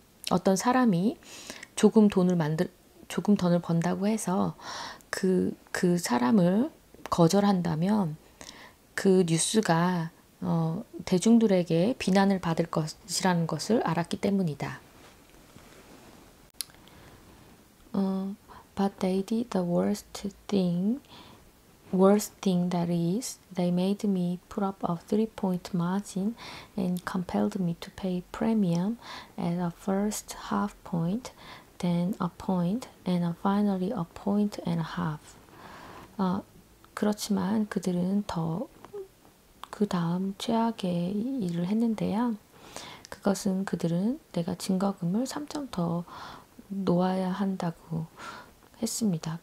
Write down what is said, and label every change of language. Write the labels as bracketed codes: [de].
[ko] 어떤 사람이 조금 돈을 번다고 해서 그 사람을 거절한다면 그 뉴스가 대중들에게 비난을 받을 것이라는 것을 알았기 때문이다. [en] But they did the worst thing that is, they made me put up a 3-point margin and compelled me to pay premium at a first half point, then a point, and finally a point and a half. [ko] 그렇지만 그들은 더 그 다음 최악의 일을 했는데요. 그것은 그들은 내가 증거금을 3점 더 놓아야 한다고 했습니다.